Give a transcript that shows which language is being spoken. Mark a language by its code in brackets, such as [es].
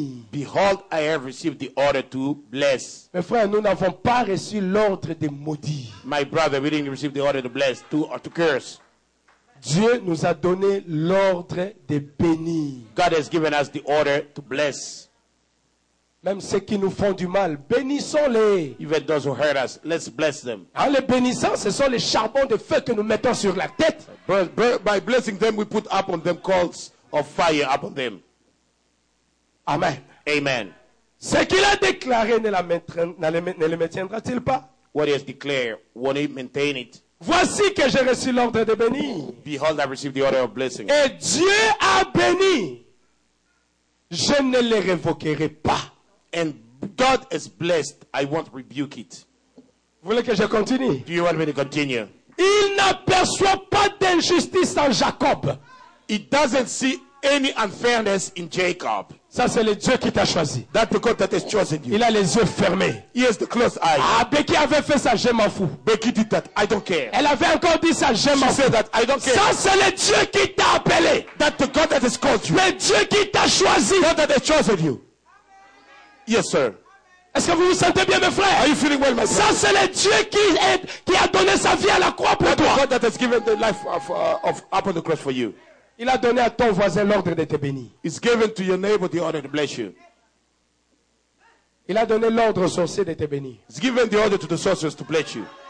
[en] behold, I have received the order to bless. [fr] Mes frères, nous n'avons pas reçu l'ordre de maudire. [en] My brother, we didn't receive the order to bless, to curse. [fr] Dieu nous a donné l'ordre de bénir. [en] God has given us the order to bless. [fr] Même ceux qui nous font du mal, bénissons-les. [en] Even those who hurt us, let's bless them. [fr] En les bénissant, ce sont les charbons de feu que nous mettons sur la tête. [en] By blessing them, we put upon them coals of fire upon them. [fr] Amen. [en] Amen. [fr] Ce qu'il a déclaré ne le maintiendra-t-il pas? [en] What he has declared, won't he maintain it? [fr] Voici que j'ai reçu l'ordre de bénir. [en] Behold, I received the order of blessing. [fr] Et Dieu a béni. Je ne le révoquerai pas. [en] And God is blessed. I won't rebuke it. [fr] Vous voulez que je continue? [en] Do you want me to continue? [fr] Il n'aperçoit pas d'injustice en Jacob. [en] He doesn't see any unfairness in Jacob. [fr] Ça c'est le Dieu qui t'a choisi. [en] That's the God that has chosen you. [fr] Il a les yeux fermés. [en] He has the closed eyes. [fr] Ah, Becky avait fait ça, je m'en fous. [en] Becky did that, I don't care. [fr] Elle avait encore dit ça, je m'en fous. [en] She said that, I don't care. [fr] Ça c'est le Dieu qui t'a appelé. [en] That's the God that has called you. [fr] Le Dieu qui t'a choisi. [en] God that has chosen you. Yes, sir. [fr] Est-ce que vous vous sentez bien, mes frères? [en] Are you feeling well, my [fr] ça, c'est le Dieu qui a donné sa vie à la croix pour toi. [en] God that has given the life of up on the cross for you. [fr] Il a donné à ton voisin l'ordre de te bénir. [en] He's given to your neighbor the order to bless you. [fr] Il a donné l'ordre au sorcier de te bénir. [en] He's given the order to the sorcerers to bless you.